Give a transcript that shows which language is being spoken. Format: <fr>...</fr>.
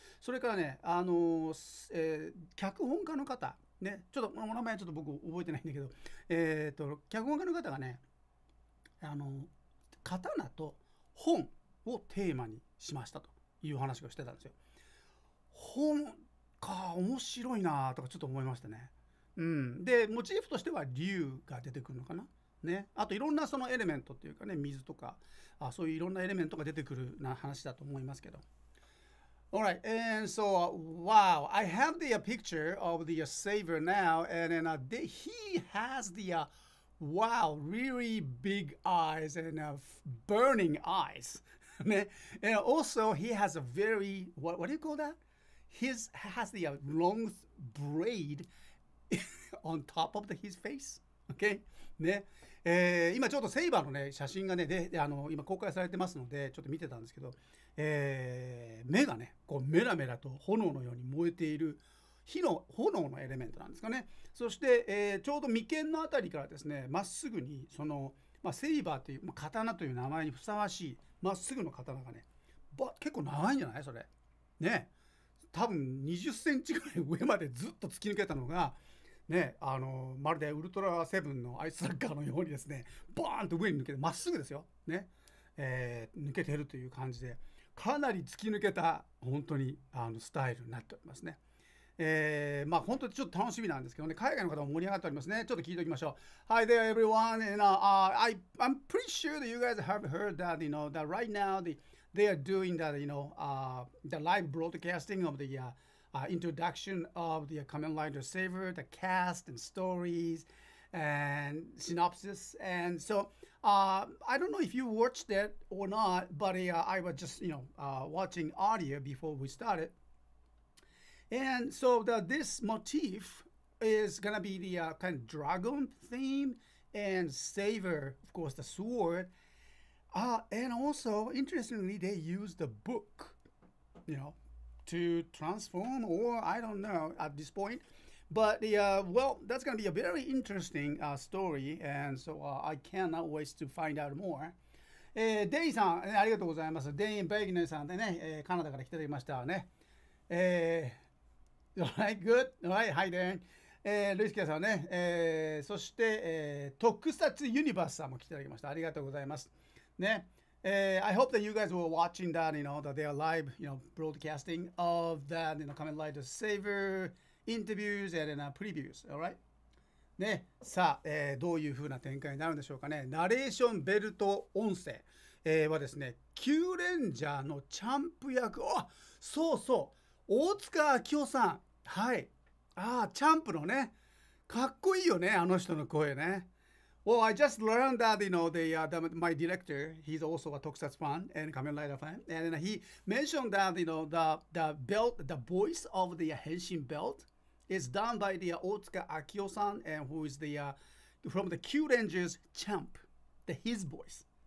<ja>それからね、脚本家の方ね、ちょっとお名前ちょっと僕覚えてないんだけど、脚本家の方がね、刀と本をテーマにしましたという話をしてたんですよ。本か、面白いなとかちょっと思いましたね。うん、でモチーフとしては竜が出てくるのかな、ね、あといろんなそのエレメントっていうかね、水とか、あ、そういういろんなエレメントが出てくるな話だと思いますけど。</ja> <en>Alright, and so, wow, I have the picture of the saver now, and then he has the, wow, really big eyes and burning eyes. And also, he has a very, what do you call that? His has the long braid on top of his face. Okay? ね。</en> <ja>今ちょっとセイバーのね、写真がね、で今公開されてますので、ちょっと見てたんですけど、目がね、こうメラメラと炎のように燃えている炎のエレメントなんですかね。そして、ちょうど眉間のあたりからですね、まっすぐにその、まあ、セイバーという、まあ、刀という名前にふさわしいまっすぐの刀がね、結構長いんじゃないそれね、多分20センチぐらい上までずっと突き抜けたのがね、まるでウルトラセブンのアイスサッカーのようにですね、バーンと上に抜けてまっすぐですよね、抜けてるという感じで、かなり突き抜けた本当にスタイルになっておりますね。まあ本当にちょっと楽しみなんですけどね、海外の方も盛り上がっておりますね。ちょっと聞いておきましょう。</ja> <en>Hi there everyone, and I'm pretty sure that you guys have heard that, you know, that right now they are doing that, you know, the live broadcasting of the introduction of the Kamen Rider Saber, the cast and stories and synopsis. And so I don't know if you watched it or not, but I was just, you know, watching audio before we started. And so this motif is going to be the kind of dragon theme and saber, of course, the sword. And also, interestingly, they use the book, you know, to transform, or I don't know at this point, but the well, that's going to be a very interesting story, and so I cannot wait to find out more.</en> <ja>デイさん、ありがとうございます。デイン・ベイネさんでね、カナダから来ていましたね。</ja> <en>All right, good. All right, hi there.</en> <ja>ルイスケさんね、そして、特撮ユニバースさんも来ていただきました。ありがとうございます。ね。</ja> <en>I hope that you guys were watching that, you know, that they are live, you know, broadcasting of that, you know, Kamen Rider Saber interviews and previews, all right?</en> <ja>ね、さあ、どういう風な展開になるんでしょうかね。ナレーションベルト音声、はですね、キューレンジャーのチャンプ役、あ、そうそう、大塚明夫さん、はい、あ、チャンプのね、かっこいいよね、あの人の声ね。</ja> <en>Well, I just learned that, you know, my director, he's also a Tokusatsu fan and Kamen Rider fan. And he mentioned that, you know, the belt, the voice of the Henshin belt is done by the Otsuka Akio-san, and who is the, from the Q-Rangers Champ, his voice.</en>